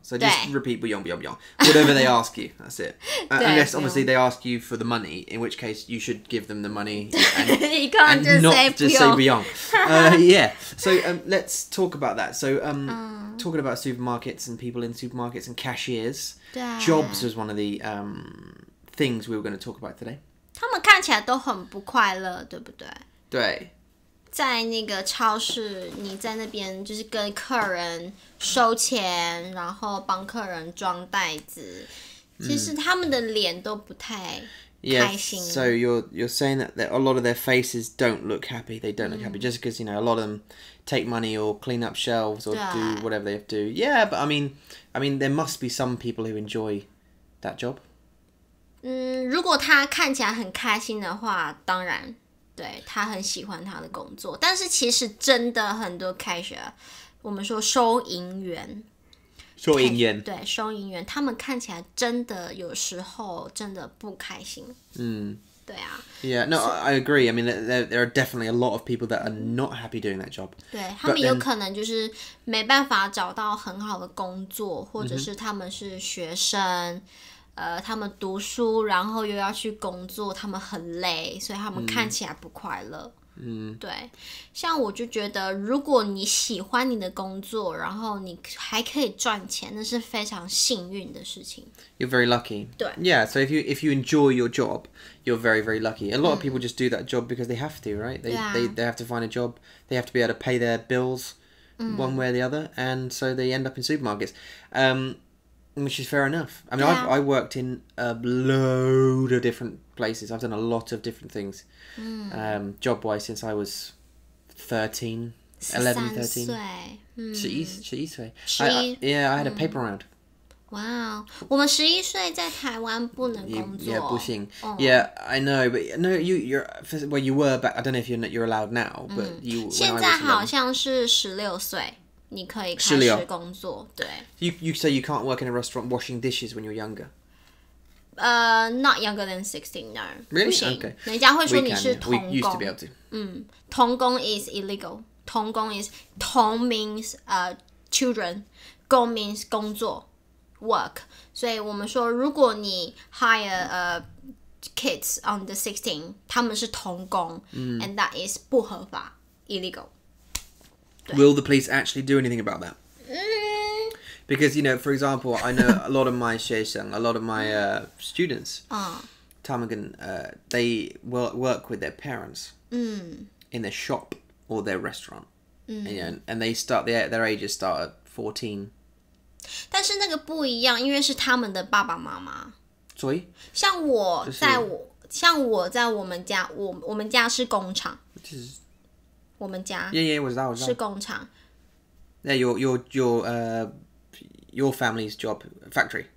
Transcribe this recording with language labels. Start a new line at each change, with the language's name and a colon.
English: So just repeat buyong, buyong, buyong. Whatever they ask you, that's it. Unless obviously they ask you for the money, in which case you should give them the money. You can't just say buyong. Yeah. So let's talk about that. So talking about supermarkets and people in supermarkets and cashiers. Jobs was one of the things we were going to talk about today.
Chinese: 他们看起来都很不快乐，对不对？对，在那个超市，你在那边就是跟客人收钱，然后帮客人装袋子，其实他们的脸都不太开心。
English: Yeah, so you're saying that a lot of their faces don't look happy. They don't look happy just because you know a lot of them take money or clean up shelves or do whatever they have to do. Yeah, but I mean there must be some people who enjoy that job.
Chinese: 如果他看起来很开心的话，当然。对，他很喜欢他的工作，但是其实真的很多 cashier， 我们说收银员，收银员，对，收银员，他们看起来真的有时候真的不开心。对啊。
English: Yeah, no, I agree. I mean, there are definitely a lot of people that are not happy doing that job.
Chinese: 对，他们有可能就是没办法找到很好的工作，或者是他们是学生。他们读书，然后又要去工作，他们很累，所以他们看起来不快乐。对，像我就觉得如果你喜欢你的工作，然后你还可以赚钱，那是非常幸运的事情。
English: You're very lucky.
Chinese: 对。
English: Yeah, so if you enjoy your job, you're very, very lucky. A lot of people just do that job because they have to, right? They,、 yeah. they have to find a job. They have to be able to pay their bills、mm. one way or the other. And so they end up in supermarkets.、Which is fair enough. I mean,、 yeah. I worked in a load of different places. I've done a lot of different things、mm. Job-wise since I was 13, 11, 13.
Chinese: 13岁、 mm.
English: 11, 11岁。Yeah, I had、mm. a paper round. Wow.
Chinese: 我们11岁在台湾不能工作。
English: Yeah,
Chinese: 不行。
English: Oh. Yeah, I know. But no, you were, but I don't know if you're allowed now. But、mm. you,
Chinese: 现在好像是16岁。你可以开始工作，对。
English: You say you can't work in a restaurant washing dishes when you're younger. Not younger than 16, no. Really? Okay.
Chinese: 人家会说你是童工。
English: We used to be able to. 嗯，
Chinese: 童工
English: is illegal. 童工 is 童 means children, 工 means
Chinese: 工作
English: work.
Chinese: 所以我们说，如果你
English: hire kids under 16,
Chinese: 他们是童工、 mm.
English: ，and that is
Chinese: 不合法
English: ，illegal. Will the police actually do anything about that?、 Mm. Because, you know, for example, I know a lot of my
Chinese: 学生,
English: a lot of my students, Tamagan,、they work with their parents、 mm. in their shop or their restaurant.、 Mm. And, you know, and they start, their ages start at 14.
Chinese: 但是那个不一样，因为是他们的爸爸妈妈。所以？像我在我、就是、像我在我们家，我们家是工厂。就是我们家 yeah, 我知道，我知道是工厂。
English: Yeah, your family's job factory.